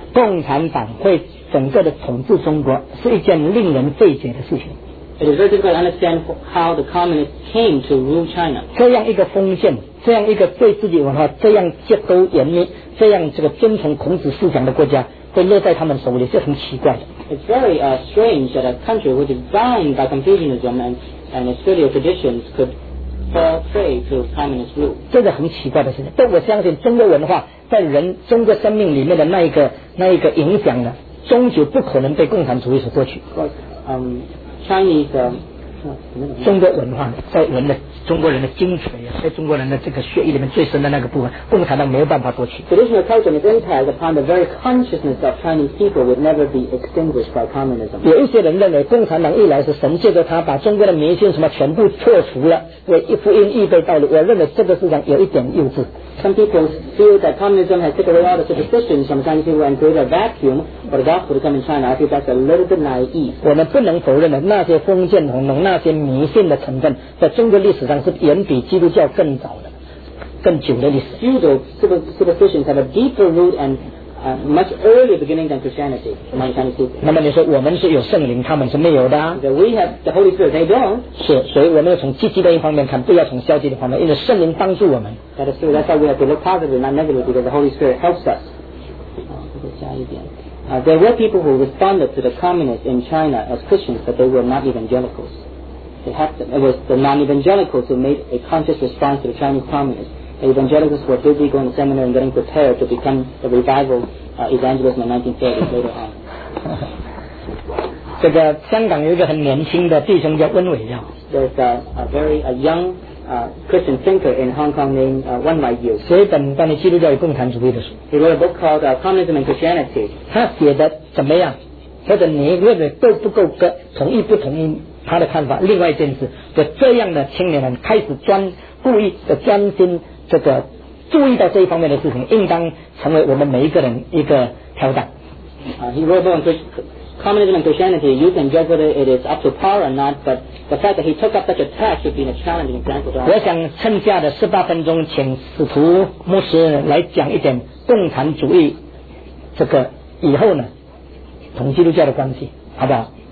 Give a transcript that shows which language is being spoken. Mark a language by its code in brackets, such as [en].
[zh] 共产党会整个的统治中国是一件令人费解的事情。 [en] It is very difficult to understand how the communists came to rule China. [zh] 这样一个封建，这样一个对自己文化这样戒都严密，这样这个遵从孔子思想的国家，会落在他们手里，是很奇怪的。 [en] It's very strange that a country which is bound by Confucianism and its filial traditions could fall prey to communist rule. [zh] 这个很奇怪的事情，但我相信中国文化在人中国生命里面的那一个影响呢，终究不可能被共产主义所夺取。 [en] Of course, Chinese [zh] 中国文化在人的中国人的精髓啊，在中国人的这个血液里面最深的那个部分，共产党没有办法夺取。 [en] Traditional culture and impact upon the very consciousness of Chinese people would never be extinguished by communism. [zh] 有一些人认为共产党一来是神借着他把中国的迷信什么全部破除了，为福音预备道路。我认为这个思想有一点幼稚。 [en] Some people feel that communism has taken away all the superstitions from Chinese people and created a vacuum for the gospel to come in China. I feel that's a little bit naive. [zh] 我们不能否认的那些封建统治、那些迷信的成分，在中国历史上是远比基督教更早的、更久的历史。 [en] Feudal superstitions have a deeper root andmuch earlier beginning than Christianity among Chinese people. [zh] 那么你说我们是有圣灵，他们是没有的、啊。 [en] So、we have the Holy Spirit, they don't. [zh] 是，所以我们要从积极的一方面看，不要从消极的方面，因为圣灵帮助我们。 [en] That is true. That's why we have to look positive, not negative, because the Holy Spirit helps us. [zh] 下一点。 [en] There were people who responded to the communists in China as Christians, but they were not evangelicals. It was the non-evangelicals who made a conscious response to the Chinese communists. Evangelicals were busy going to seminary and getting prepared to become the revival evangelism in 1930s later on. [zh] 这个香港有一个很年轻的弟兄叫温伟耀。 [en] There's a young Christian thinker in Hong Kong named Wen Weiyu. [zh] 写一本关于基督教与共产主义的书。 [en] He wrote a book called Communism and Christianity. [zh] 他写的怎么样？或者你认为够不够格？同意不同意他的看法？另外一件事，就这样的青年人开始故意的专心。这个注意到这一方面的事情，应当成为我们每一个人一个挑战。 [en] He wrote a book on communism and Christianity. You can judge whether it is up to par or not, but the fact that he took up such a text should be a challenging example. [zh] 我想剩下的十八分钟，请使徒牧师来讲一点共产主义这个以后呢，同基督教的关系，好不好？